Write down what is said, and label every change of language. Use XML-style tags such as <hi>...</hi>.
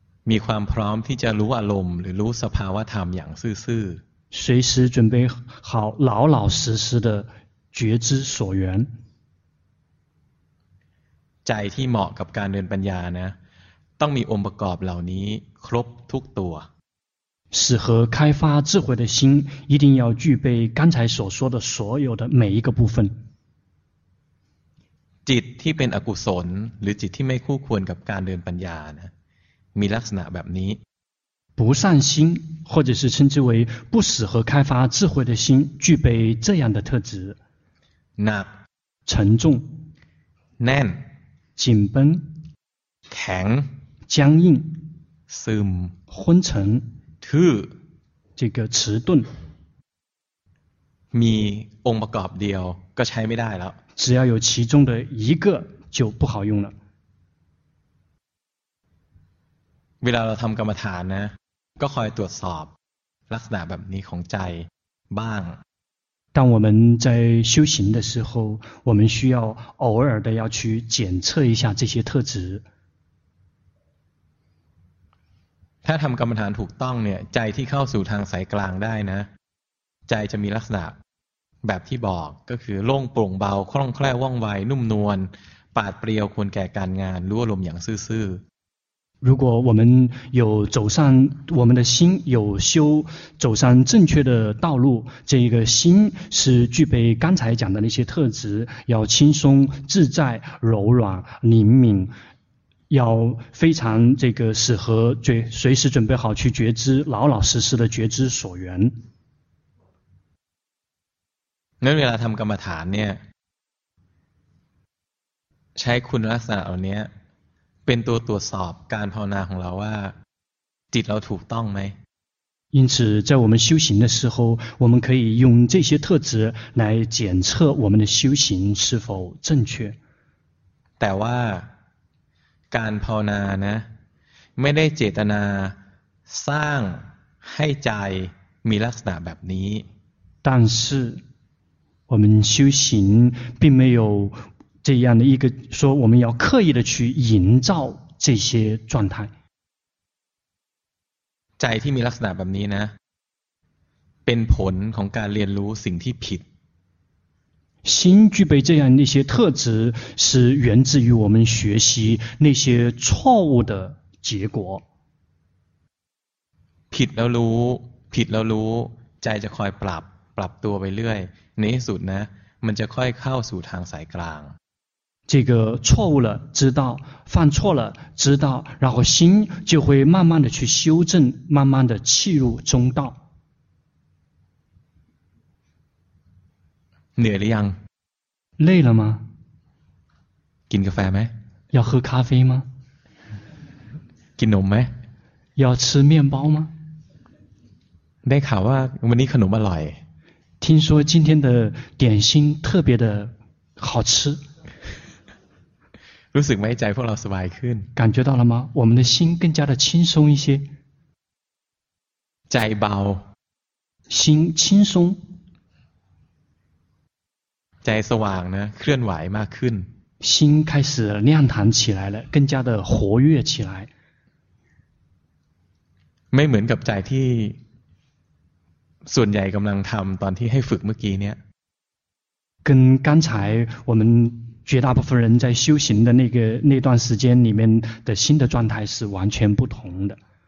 <th>มีความพร้อมที่จะรู้อารมณ์หรือรู้สภาวะธรรมอย่างซื่อ</th> <zh>随时准备好老老实实的觉知所缘</zh> <th>ใจที่เหมาะกับการเดินปัญญานะต้องมีองค์ประกอบเหล่านี้ครบทุกตัว</th> <zh>适合开发智慧的心一定要具备刚才所说的所有的每一个部分</zh> <th>จิตที่เป็นอกุศลหรือจิตที่ไม่คู่ควรกับการเดินปัญญานะมีลักษณะแบบนี้</th> <zh>不善心或者是称之为不适合开发智慧的心具备这样的特质</zh> <th>หนัก</th> <zh>沉重</zh> <th>แน่น</th> <zh>紧绷</zh> <th>แข็ง</th> <zh>僵硬</zh> <th>ซึม</th> <zh>昏沉</zh> <th>ทื่อ</th> <zh>这个迟钝</zh> <th>มีองค์ประกอบเดียวก็ใช้ไม่ได้แล้ว</th> <zh>只要有其中的一个就不好用了</zh> <th>เวลาเราทำกรรมฐานนะก็คอยตรวจสอบลักษณะแบบนี้ของใจบ้าง</th> <zh>当我们在修行的时候，我们需要偶尔的要去检测一下这些特质。</zh> <th>ถ้าทำกรรมฐานถูกต้องเนี่ยใจที่เข้าสู่ทางสายกลางได้นะใจจะมีลักษณะแบบที่บอกก็คือโล่งโปร่งเบาคล่องแคล่วว่องไวนุ่มนวลปราดเปรียวควรแก่การงานรู้อารมณ์อย่างซื่อ</th> <zh>如果我们有走上我们的心有修走上正确的道路这个心是具备刚才讲的那些特质要轻松自在柔软灵敏要非常这个适合随时准备好去觉知老老实实的觉知所缘</zh> <th>那เวลาทำกรรมฐานเนี่ยใช้คุณลักษณะเหล่านี้เป็นตัวตรวจสอบการภาวนาของเราว่าจิตเราถูกต้องไหม</th> <zh>因此在我们修行的时候我们可以用这些特质来检测我们的修行是否正确</zh> <th>แต่ว่าการภาวนานะไม่ได้เจตนาสร้างให้ใจมีลักษณะแบบนี้</th> <zh>但是我们修行并没有这样的一个说我们要刻意的去营造这些状态</zh> <th>ใจที่มีลักษณะแบบนี้นะเป็นผลของการเรียนรู้สิ่งที่ผิด</th> <zh>心具备这样的一些特质是源自于我们学习那些错误的结果</zh> <th>ผิดแล้วรู้ผิดแล้วรู้ใจจะคอยปรับตัวไปเรื่อยในที่สุดนะมันจะค่อยเข้าสู่ทางสายกลาง</th> <zh>这个错误了知道犯错了知道然后心就会慢慢的去修正慢慢的契入中道</zh> <th>เหนื่อยหรือยัง</th> <zh>累了吗</zh> <th>กินกาแฟไหม</th> <zh>要喝咖啡吗</zh> <th>กินขนมไหม</th> <zh>要吃面包吗</zh> <th>ได้ข่าวว่าวันนี้ขนมอร่อย</th> <zh>听说今天的点心特别的好吃</zh> <th>รู้สึกไหมใจพวกเราสบายขึ้น</th> <zh>感觉到了吗我们的心更加的轻松一些</zh> <th>ใจเบา</th> <zh>心轻松</zh> <th>ใจสว่างนะเคลื่อนไหวมากขึ้น</th> <zh>心开始亮堂起来了更加的活跃起来</zh> <th>ไม่เหมือนกับใจที่ส่วนใหญ่กำลังทำตอนที่ให้ฝึกเมื่อกี้เนี้ย</th> <zh>跟刚才我们绝大部分人在修行的那段时间里面的心的状态是完全不同的。</zh>